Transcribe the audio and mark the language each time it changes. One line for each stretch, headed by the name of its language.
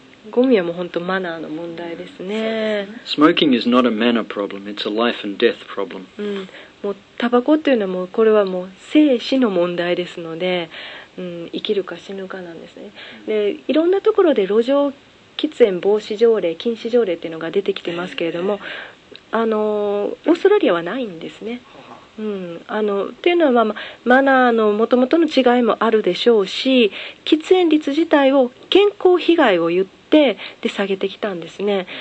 Japanese: ゴミはもう本当マナーの問題ですね。
English: Smoking is not a manner problem. It's a life and death problem.
Japanese: もうタバコっていうのはもうこれはもう生死の問題ですので、生きるか死ぬかなんですね。で、いろんなところで路上喫煙防止条例、禁止条例っていうのが出てきてますけれども、オーストラリアはないんですね。っていうのは、まあ、マナーのもともとの違いもあるでしょうし、喫煙率自体を健康被害を言ってで下げてきたんですね。